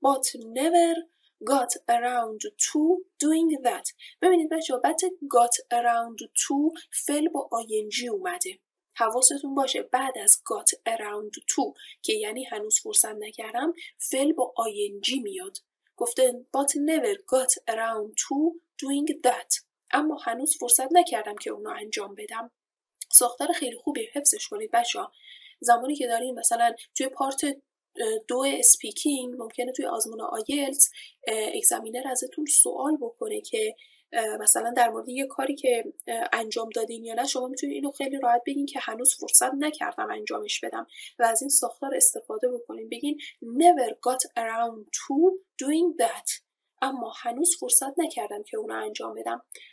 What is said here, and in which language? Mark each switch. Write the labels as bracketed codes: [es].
[en] But never got around to doing that. [fa] ببینید بچه بعد got around to فعل با ing اومده. حواستون باشه بعد از got around to که یعنی هنوز فرصت نکردم فعل با ing میاد. گفته [en] but never got around to doing that. [fa] اما هنوز فرصت نکردم که اونو انجام بدم. ساختار خیلی خوبی حفظش کنید بچه ها. زمانی که دارین مثلا توی پارت دو اسپیکینگ ممکنه توی آزمون آیلتس اگزامینر ازتون سوال بکنه که مثلا در مورد یه کاری که انجام دادین یا نه، شما میتونید اینو خیلی راحت بگین که هنوز فرصت نکردم انجامش بدم و از این ساختار استفاده بکنین، بگین [en] never got around to doing that، [fa] اما هنوز فرصت نکردم که اونو انجام بدم.